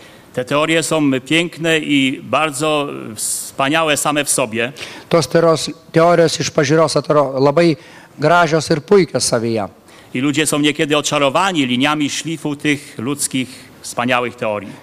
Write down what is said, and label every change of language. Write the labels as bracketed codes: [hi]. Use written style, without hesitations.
[pl] Te teorie są piękne i bardzo wspaniałe same w sobie. [lt] Tos teorios iš pažiūros atrodo labai gražios ir puikios savyje. [pl] I ludzie są niekiedy oczarowani liniami szlifu tych ludzkich wspaniałych teorii.